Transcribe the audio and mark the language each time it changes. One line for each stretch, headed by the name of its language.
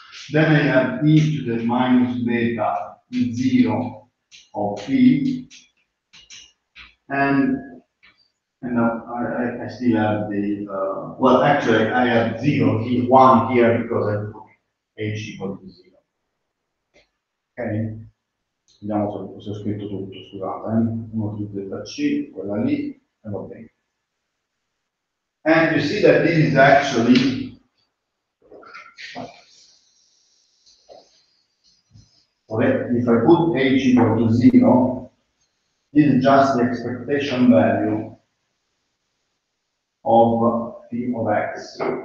English: Then I have e to the minus beta e 0 of p, and I still have the well, actually I have 0 here, 1 here, because I put h equal to 0.
Italian: Okay, vediamo se ho scritto tutto, scusate, eh? 1 più beta c, quella lì, e va bene.
English: And you see that this is actually okay. If I put h equal to 0, this is just the expectation value of p of x.